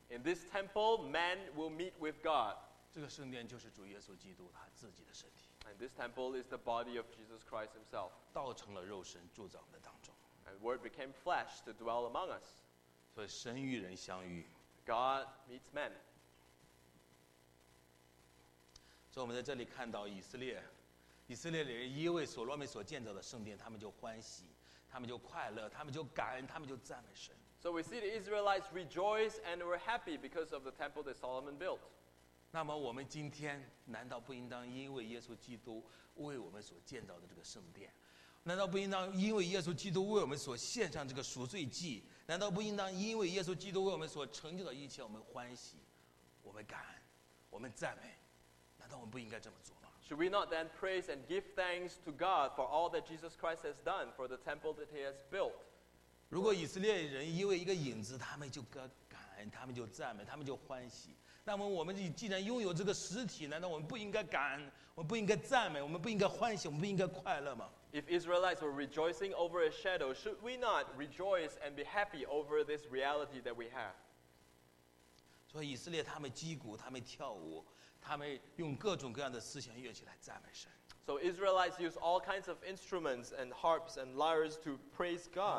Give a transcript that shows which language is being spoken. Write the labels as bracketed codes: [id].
[en] In this temple, man will meet with God. [zh] 这个圣殿就是主耶稣基督他自己的身体。 [en] And this temple is the body of Jesus Christ himself. [zh] 道成了肉身，住在我们的当中。 [en] And word became flesh to dwell among us. [zh] 所以神与人相遇。 [en] God meets man. [zh] 所以我们在这里看到以色列人因为所罗门所建造的圣殿，他们就欢喜，他们就快乐，他们就感恩，他们就赞美神。 [en] So we see the Israelites rejoice and were happy because of the temple that Solomon built. [zh] 那么我们今天难道不应当因为耶稣基督为我们所建造的这个圣殿？难道不应当因为耶稣基督为我们所献上这个赎罪祭？难道不应当因为耶稣基督为我们所成就的一切，我们欢喜，我们感恩，我们赞美？ [en] Should we not then praise and give thanks to God for all that Jesus Christ has done for the temple that he has built? [zh] 如果以色列人因为一个影子，他们就感恩，他们就赞美，他们就欢喜。那么我们既然拥有这个实体，难道我们不应该感恩，我们不应该赞美，我们不应该欢喜，我们不应该快乐吗？ [en] If Israelites were rejoicing over a shadow, should we not rejoice and be happy over this reality that we have? [zh] 所以以色列他们击鼓，他们跳舞。他们用各种各样的丝弦乐器来赞美神。 [en] So Israelites use all kinds of instruments and harps and lyres to praise God.